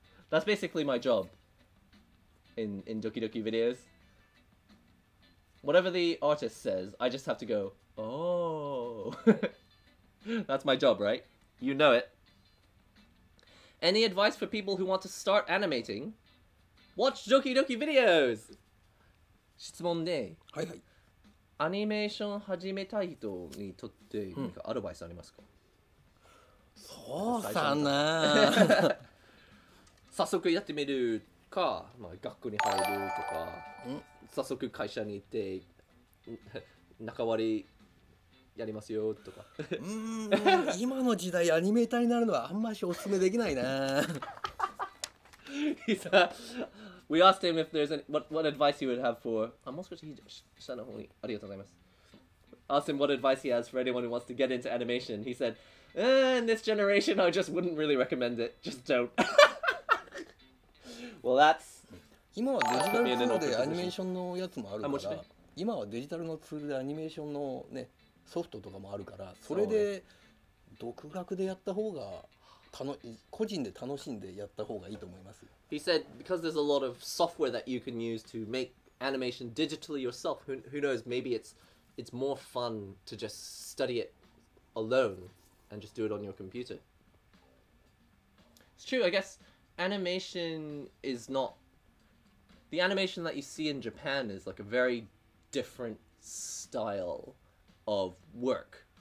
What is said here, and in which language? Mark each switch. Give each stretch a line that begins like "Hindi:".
English: That's basically my job in Doki Doki videos. Whatever the artist says, I just have to go, oh. That's my job, right? You know it. Any advice for people who want to start animating? Watch Doki Doki videos!
Japanese: 質問で、はいはい。アニメーション始めたい人にとって何かアドバイスありますか? そうさな早速やってみるか、まあ、学校に入るとか早速会社に行って仲割りやりますよとか今の時代アニメーターになるのはあんましおすすめできないな
English: We asked him if there's what advice he would have for
Japanese: あもう少し下の方にありがとうございます
English: Asked him what advice he has for anyone who wants to get into animation He saidIn this generation, I just wouldn't really recommend it. Just don't. Well, that's...
Japanese: 今はデジタルツールでアニメーションのやつもあるから今はデジタルのツールでアニメーションの、ね、ソフトとかもあるからそれで独学でやった方が個人で楽しんでやった方がいいと思います。
English: He said, because there's a lot of software that you can use to make animation digitally yourself, who knows, maybe it's more fun to just study it alone and just do it on your computer. It's true, I guess animation is not... The animation that you see in Japan is like a very different style of work.